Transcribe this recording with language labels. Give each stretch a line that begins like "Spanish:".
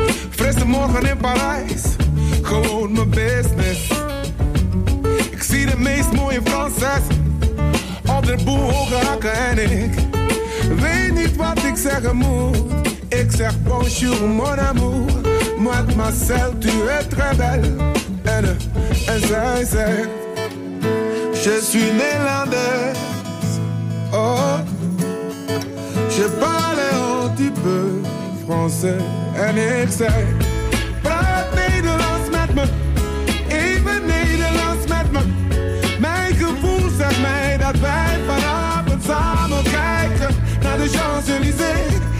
Dutch: Frisse morgen in Parijs, gewoon mijn business. Ik zie de meest mooie Franses op de boel hoge hakken en ik weet niet wat ik zeggen moet. Ik zeg
French: bonjour mon amour. Mademoiselle, tu es très belle.
Dutch: En zij zegt,
French: je suis Nederlandaise. Oh, je parle un petit peu français.
Dutch: En ik zeg, praat Nederlands met me. Even Nederlands met me. Mijn gevoel zegt mij dat wij vanavond samen kijken naar de Champs-Élysées.